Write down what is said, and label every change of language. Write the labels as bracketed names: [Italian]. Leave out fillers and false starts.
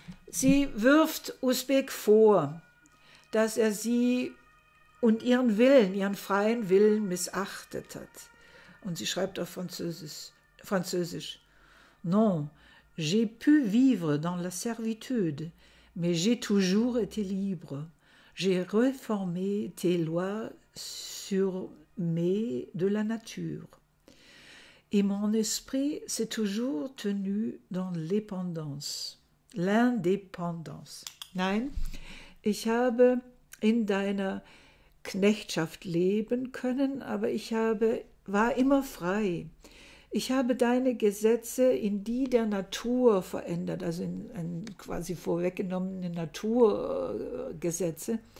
[German] Sie wirft Usbek vor, dass er sie und ihren Willen, ihren freien Willen missachtet hat. Und sie schreibt auf Französisch: [French] Non, j'ai pu vivre dans la servitude, mais j'ai toujours été libre. J'ai réformé tes lois sur mes de la nature. Et mon esprit s'est toujours tenu dans l'indépendance. [German] Nein, ich habe in deiner Knechtschaft leben können, aber ich war immer frei. Ich habe deine Gesetze in die der Natur verändert, also in quasi vorweggenommene Naturgesetze.